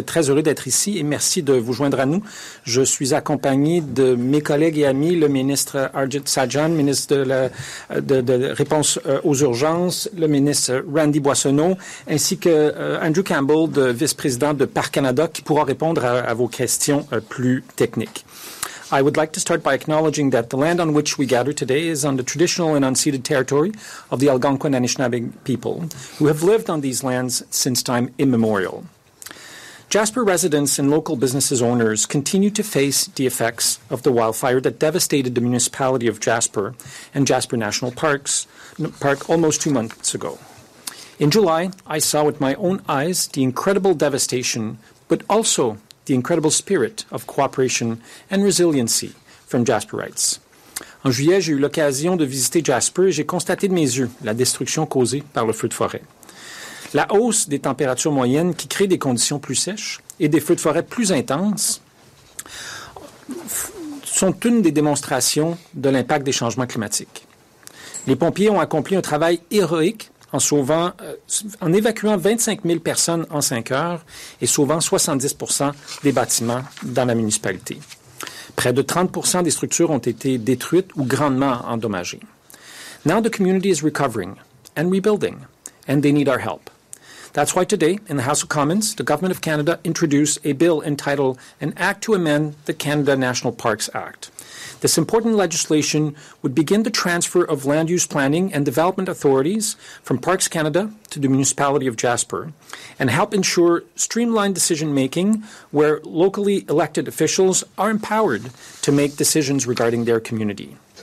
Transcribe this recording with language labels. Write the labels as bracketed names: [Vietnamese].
[French] Très heureux d'être ici et merci de vous joindre à nous. Je suis accompagné de mes collègues et amis, le ministre Arjit Sajjan, ministre de la de réponse aux urgences, le ministre Randy Boissonneau, ainsi que Andrew Campbell, de vice-président de Parc Canada, qui pourra répondre à vos questions plus techniques. [English] I would like to start by acknowledging that the land on which we gather today is on the traditional and unceded territory of the Algonquin Anishinaabe people, who have lived on these lands since time immemorial. Jasper residents and local businesses owners continue to face the effects of the wildfire that devastated the municipality of Jasper and Jasper National Park almost 2 months ago. In July, I saw with my own eyes the incredible devastation, but also the incredible spirit of cooperation and resiliency from Jasperites. [French] En juillet, j'ai eu l'occasion de visiter Jasper et j'ai constaté de mes yeux la destruction causée par le feu de forêt. La hausse des températures moyennes qui crée des conditions plus sèches et des feux de forêt plus intenses sont une des démonstrations de l'impact des changements climatiques. Les pompiers ont accompli un travail héroïque en évacuant 25 000 personnes en 5 heures et sauvant 70 % des bâtiments dans la municipalité. Près de 30 % des structures ont été détruites ou grandement endommagées. [English] Now the community is recovering and rebuilding, and they need our help. That's why today, in the House of Commons, the Government of Canada introduced a bill entitled An Act to Amend the Canada National Parks Act. This important legislation would begin the transfer of land use planning and development authorities from Parks Canada to the municipality of Jasper and help ensure streamlined decision-making where locally elected officials are empowered to make decisions regarding their community.